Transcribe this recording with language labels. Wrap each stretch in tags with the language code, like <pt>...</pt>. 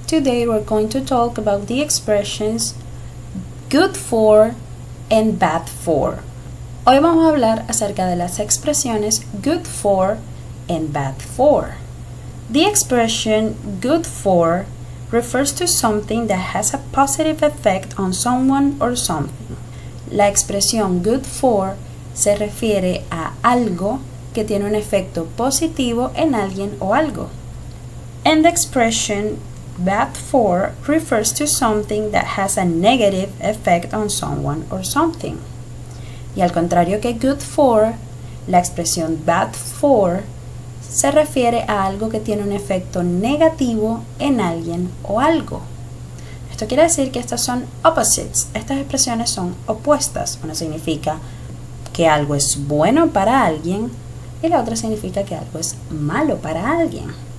<en>Today we're going to talk about the expressions good for and bad for.</en> <es>Hoy vamos a hablar acerca de las expresiones good for and bad for.</es> <en>The expression good for refers to something that has a positive effect on someone or something.</en> <es>La expresión good for se refiere a algo que tiene un efecto positivo en alguien o algo.</es> <en>And the expression bad for refers to something that has a negative effect on someone or something.</en> <es>Y al contrario que good for, la expresión bad for se refiere a algo que tiene un efecto negativo en alguien o algo. Esto quiere decir que estas son opposites. Estas expresiones son opuestas. Una significa que algo es bueno para alguien y la otra significa que algo es malo para alguien.</es>